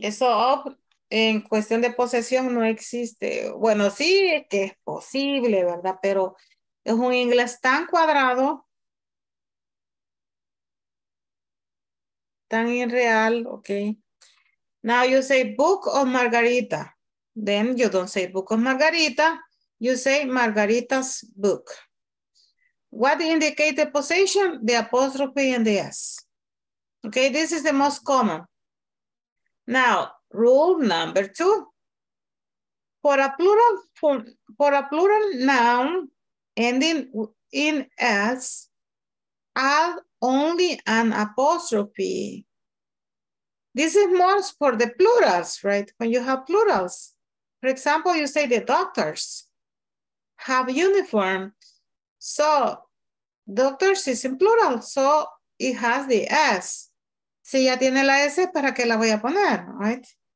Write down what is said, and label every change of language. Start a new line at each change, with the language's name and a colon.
Spanish: Eso of en cuestión de posesión no existe. Bueno, sí que es posible, ¿verdad? Pero es un inglés tan cuadrado, tan irreal, okay.
English: Now you say book of Margarita. Then you don't say book of Margarita, you say Margarita's book. What indicate the possession? The apostrophe and the S. Okay, this is the most common. Now, rule number two. For a plural noun, ending in S, add only an apostrophe. This is more for the plurals, right? When you have plurals. For example, you say the doctors have uniform. So doctors is in plural, so it has the S.
Spanish: Si ya tiene la S, ¿para qué la voy a poner, right?